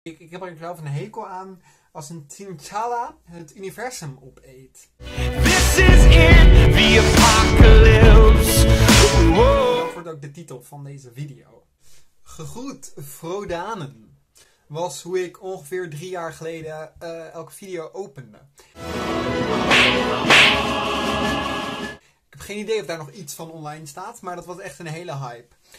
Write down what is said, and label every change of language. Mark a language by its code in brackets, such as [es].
[nl] Ik heb er zelf een hekel aan als een T'Challa het universum opeet. [en] This is it, the apocalypse. Wow. [nl] Dat wordt ook de titel van deze video. Gegroet, Frodanen. Was hoe ik ongeveer 3 jaar geleden elke video opende. Ik heb geen idee of daar nog iets van online staat, maar dat was echt een hele hype.